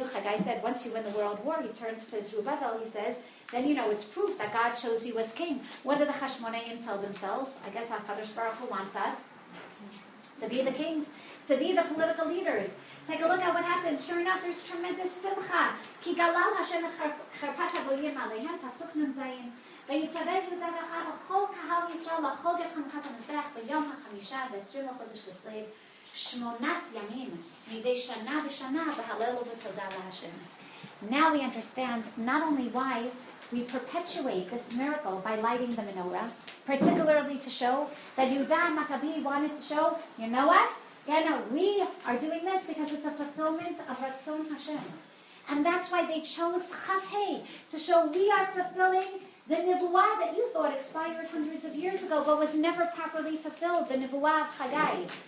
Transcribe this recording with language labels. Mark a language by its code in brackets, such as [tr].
[en] Chagai said, once you win the world war, he turns to Zerubbabel, he says, then you know it's proof that God chose you as king. What do the Hashmonaim tell themselves? I guess HaKadosh Baruch Hu wants us to be the kings, to be the political leaders. Take a look at what happened. Sure enough, there's tremendous simcha. [he] Ki galal Hashem charpat avoyim aleihem pasuk nun zayin. ויצבב יהודה ואחר לכל קהל ישראל לכל יום חנוכת המזבח ביום החמישה ועשרים לחודש כסלו שמונת ימים מדי שנה בשנה בהלל ובתודה להשם. [en] Now we understand not only why we perpetuate this miracle by lighting the menorah, particularly to show that Yehuda HaMakabi wanted to show, you know what? Yeah, no, we are doing this because it's a fulfillment of Ratzon Hashem. And that's why they chose Chaf Hei, to show we are fulfilling the Nebuah that you thought expired hundreds of years ago but was never properly fulfilled, the Nebuah of Chagai.